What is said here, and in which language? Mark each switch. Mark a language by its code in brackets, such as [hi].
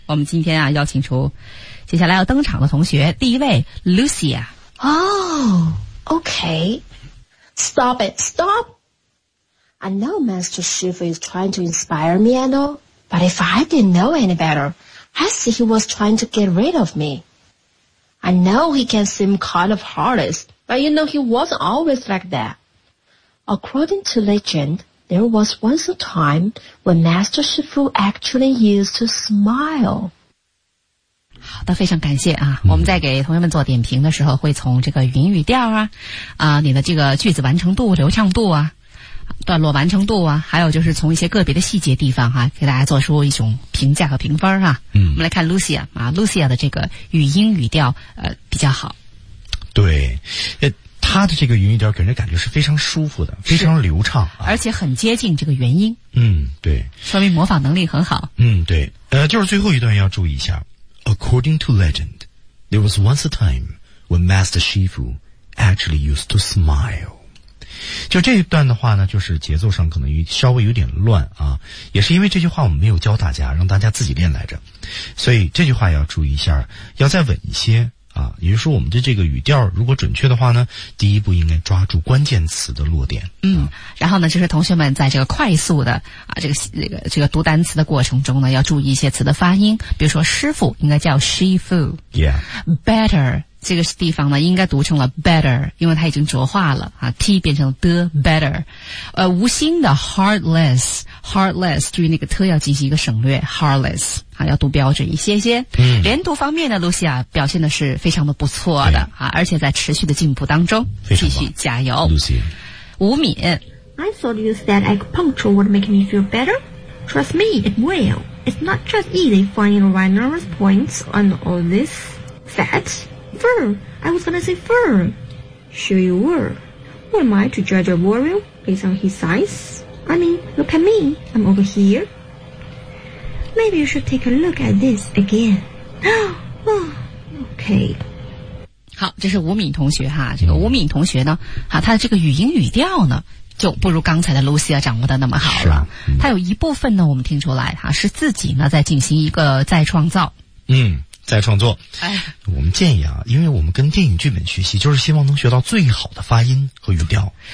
[zh] 我们今天啊，邀请出接下来要登场的同学，第一位 Lucia. [en] Oh, okay. Stop it, stop. I know Master Shifu is trying to inspire me and all, but if I didn't know any better, I'd say he was trying to get rid of me. I know he can seem kind of heartless, but you know he wasn't always like that. According to legend, there was once a time when Master Shifu actually used to smile. [zh] 好的，非常感谢啊！我们在给同学们做点评的时候，会从这个语音语调啊，啊，你的这个句子完成度、流畅度啊，段落完成度啊，还有就是从一些个别的细节地方哈、啊，给大家做出一种评价和评分哈、啊。嗯，我们来看 Lucia 啊 ，Lucia 的这个语音语调比较好。对，他的这个语音语调给人感觉是非常舒服的，非常流畅、啊，而且很接近这个原音。嗯，对，说明模仿能力很好。嗯，对，就是最后一段要注意一下。 [en] According to legend, there was once a time when Master Shifu actually used to smile. [zh] 就这一段的话呢，就是节奏上可能稍微有点乱啊，也是因为这句话我们没有教大家，让大家自己练来着，所以这句话要注意一下，要再稳一些啊。也就是说，我们的这个语调如果准确的话呢，第一步应该抓住关键词的落点。嗯，然后呢，就是同学们在这个快速的啊，这个读单词的过程中呢，要注意一些词的发音，比如说师傅应该叫 Shifu， [en] yeah， [zh] better。 这个地方呢应该读成了 better， 因为它已经浊化了啊 ,t 变成了 the better。无心的 heartless, 注意那个特要进行一个省略 ,heartless, 啊要读标准一些些。嗯、连读方面呢 ,Lucia 表现的是非常的不错的啊，而且在持续的进步当中，非常继续加油。 Lucia。吴敏。 [en] I thought you said acupuncture would make me feel better. Trust me, it will. It's not just easy finding right nervous points on all this fat. Fur, I was gonna say fur. Sure you were. Who am I to judge a warrior based on his size? I mean, look at me, I'm over here. Maybe you should take a look at this again. Okay. [zh] 好，这是吴敏同学哈。这个吴敏同学呢，哈，他的这个语音语调呢，就不如刚才的 Lucia 掌握的那么好了。是啊，嗯、他有一部分呢，我们听出来哈，是自己呢在进行一个再创造。嗯。在创作，哎，我们建议啊，因为我们跟电影剧本学习，就是希望能学到最好的发音和语调。